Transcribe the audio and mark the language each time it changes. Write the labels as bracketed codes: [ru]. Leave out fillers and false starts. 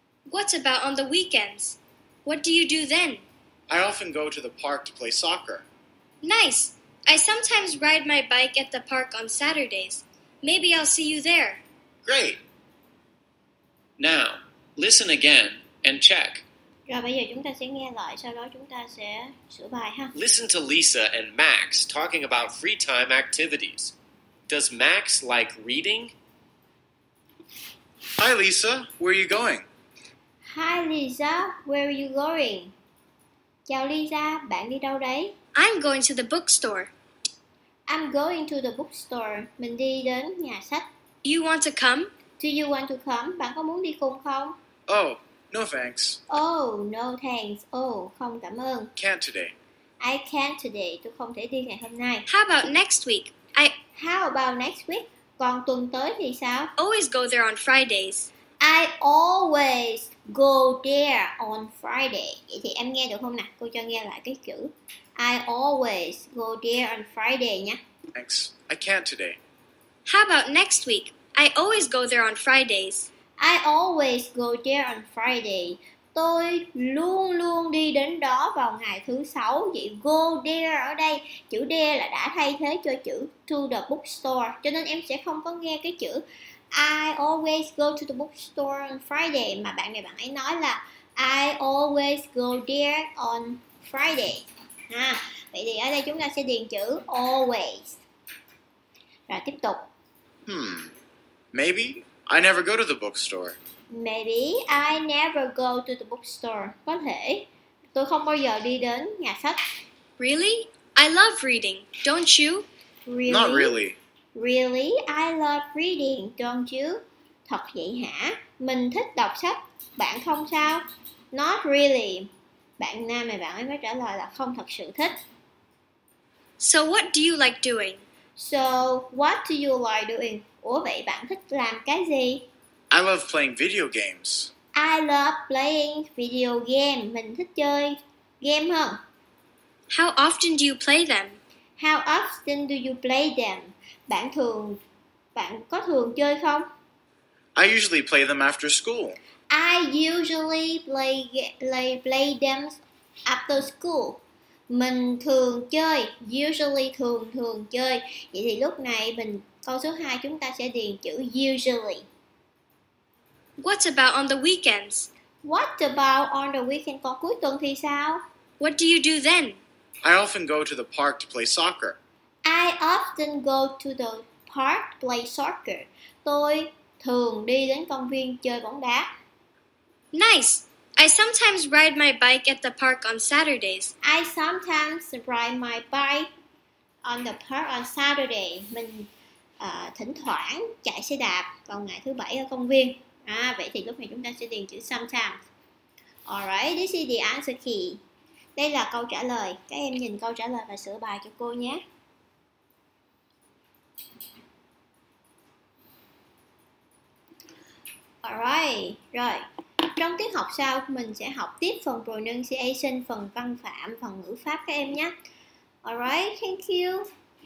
[en] What about on the weekends? What do you do then? I often go to the park to play soccer. Nice. I sometimes ride my bike at the park on Saturdays. Maybe I'll see you there. Great. Now, listen again and check. [vi] Rồi bây giờ chúng ta sẽ nghe lại, sau đó chúng ta sẽ sửa bài ha. [en] Listen to Lisa and Max talking about free time activities. Does Max like reading? Hi Lisa, where are you going? Hi Lisa, where are you going? [vi] Chào Lisa, bạn đi đâu đấy? [en] I'm going to the bookstore. I'm going to the bookstore. [vi] Mình đi đến nhà sách. [en] You want to come? Do you want to come? [vi] Bạn có muốn đi cùng không? [en] Oh, no thanks. Oh, no thanks. [vi] Oh, không cảm ơn. [en] Can't today. I can't today. [vi] Tôi không thể đi ngày hôm nay. [en] How about next week? How about next week? [vi] Còn tuần tới thì sao? [en] Always go there on Fridays. I always go there on Friday. [vi] Vậy thì em nghe được không nào? Cô cho nghe lại cái chữ. [en] I always go there on Friday nhé. Thanks. I can't today. How about next week? I always go there on Fridays. I always go there on Friday. [vi] Tôi luôn luôn đi đến đó vào ngày thứ sáu. Vậy go there ở đây, chữ there là đã thay thế cho chữ to the bookstore. Cho nên em sẽ không có nghe cái chữ [en] I always go to the bookstore on Friday. [vi] Mà bạn này bạn ấy nói là [en] I always go there on Friday. [vi] Vậy thì ở đây chúng ta sẽ điền chữ always. Rồi tiếp tục. [en] Maybe I never go to the bookstore. Maybe I never go to the bookstore. [vi] Có thể tôi không bao giờ đi đến nhà sách. [en] Really? I love reading. Don't you? Really? Not really. Really? I love reading. Don't you? [vi] Thật vậy hả? Mình thích đọc sách. Bạn không sao? [en] Not really. [vi] Bạn nam này bạn ấy mới trả lời là không thật sự thích. [en] So what do you like doing? So what do you like doing? [vi] Ủa vậy bạn thích làm cái gì? [en] I love playing video games. I love playing video game. [vi] Mình thích chơi game hơn. [en] How often do you play them? How often do you play them? [vi] Bạn có thường chơi không? [en] I usually play them after school. I usually play them after school. [vi] Mình thường chơi, usually thường chơi. Vậy thì lúc này mình câu số 2 chúng ta sẽ điền chữ usually. [en] What about on the weekends? What about on the weekend? [vi] Còn cuối tuần thì sao? [en] What do you do then? I often go to the park to play soccer. I often go to the park to play soccer. [vi] Tôi thường đi đến công viên chơi bóng đá. [en] Nice. I sometimes ride my bike at the park on Saturdays. I sometimes ride my bike on the park on Saturday. [vi] Mình thỉnh thoảng chạy xe đạp vào ngày thứ bảy ở công viên. Vậy thì lúc này chúng ta sẽ điền chữ sometimes. [en] Alright, this is the answer key. [vi] Đây là câu trả lời. Các em nhìn câu trả lời và sửa bài cho cô nhé. Alright, rồi. Trong tiết học sau, mình sẽ học tiếp phần pronunciation, phần văn phạm, phần ngữ pháp các em nhé. [en] Alright, thank you.